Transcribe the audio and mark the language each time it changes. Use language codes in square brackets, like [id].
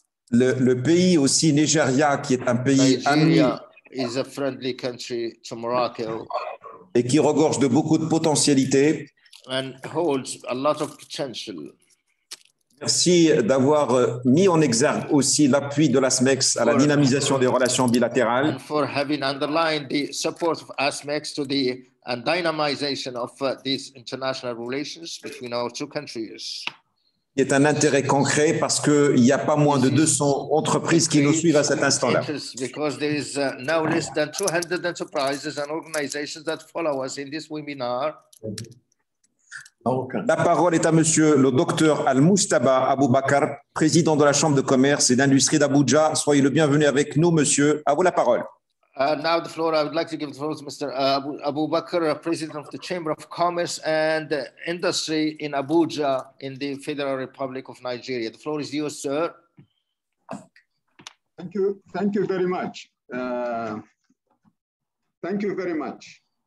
[fr] Le pays aussi, Nigeria, qui est un pays ami [en] is a friendly country to Morocco, [fr] et qui regorge de beaucoup de potentialités. [en] And holds a lot of potential. [fr] Merci d'avoir mis en exergue aussi l'appui de l'ASMEX à la dynamisation des relations bilatérales. [en] And for having underlined the support of ASMEX to the and dynamization of these international relations between our two countries. [fr] Est un intérêt concret parce qu'il n'y a pas moins de 200 entreprises qui nous suivent à cet instant-là. [en] Because there is now less than 200 enterprises and organizations that follow us in this webinar. [fr] La parole est à monsieur le docteur Al-Mustaba Aboubakar, président de la Chambre de commerce et d'industrie d'Abuja. Soyez le bienvenu avec nous, monsieur. À vous la parole. [en] Now the floor, I would like to give the floor to Mr. Aboubakar, President of the Chamber of Commerce and Industry in Abuja, in the Federal Republic of Nigeria. The floor is yours, sir. Thank you very much. Thank you very much.